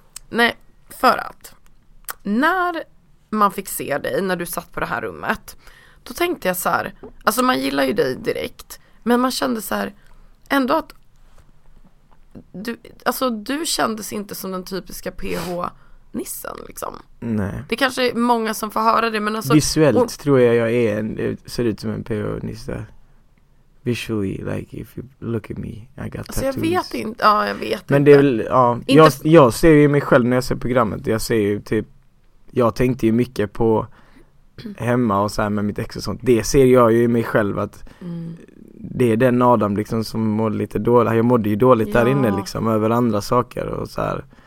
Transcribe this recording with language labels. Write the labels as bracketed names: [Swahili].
[Swedish] Nej, för att när man fick se dig, när du satt på det här rummet, då tänkte jag så här, alltså man gillar ju dig direkt, men man kände så här ändå att du, alltså du kändes inte som den typiska PH-nissen liksom. Nej. Det kanske är många som får höra det, men alltså visuellt tror jag är en, ser ut som en PH-nisse. [English] Visually, like if you look at me, I got [Swedish] alltså [English] tattoos. [Swedish] Jag vet inte, ja jag vet men inte. Men det är väl, ja, jag ser ju mig själv när jag ser programmet. Jag ser ju typ, jag tänkte ju mycket på hemma och så här med mitt ex och sånt. Det ser jag ju i mig själv att det är den Adam liksom som mådde lite dåligt. Jag mådde ju dåligt där inne liksom över andra saker och så här.